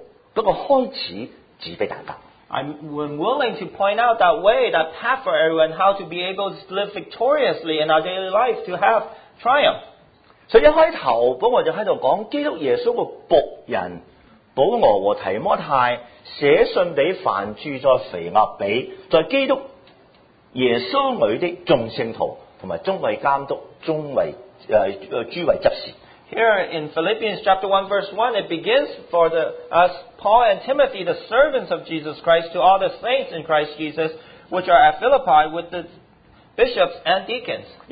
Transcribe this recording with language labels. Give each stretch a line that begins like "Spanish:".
Chinese: 希望在我们在生活里面，怎样将一个德性的生活活出来，那条路，那个开始指给大家。
English: I'm willing to point out that way, that path for everyone, how to be able to live victoriously in our daily life, to have triumph.
Chinese: 所以一开始，保罗就在这里讲基督耶稣的仆人。保罗和提摩太写信给凡住在腓立比，在基督耶稣里的众圣徒，同埋中尉监督、中尉诸位执事。Here
English: in Philippians chapter 1 verse 1, it begins for the us Paul and Timothy, the servants of Jesus Christ, to all the saints in Christ Jesus, which are at Philippi with the bishops and deacons.